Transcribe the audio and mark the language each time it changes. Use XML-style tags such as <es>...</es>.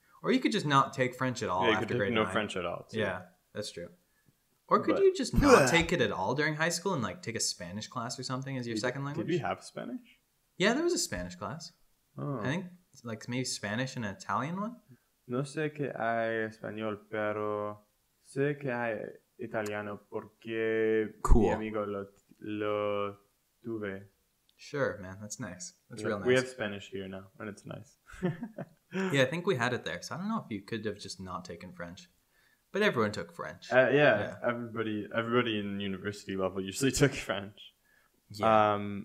<en>Or you could just not take French at all after grade 9. Yeah, you could take no French at all. Too. Yeah, that's true. Or could you just not take it at all during high school and like take a Spanish class or something as your second language? Did we have Spanish? Yeah, there was a Spanish class. Oh. I think like maybe Spanish and an Italian one.</en> <es>No sé que hay español, pero sé que hay italiano porque mi amigo lo tuve.</es> <en>Sure, man. That's nice. That's real nice. We have Spanish here now, and it's nice. Yeah, I think we had it there. So I don't know if you could have just not taken French. But everyone took French. Everybody in university level usually took French. Yeah.</en>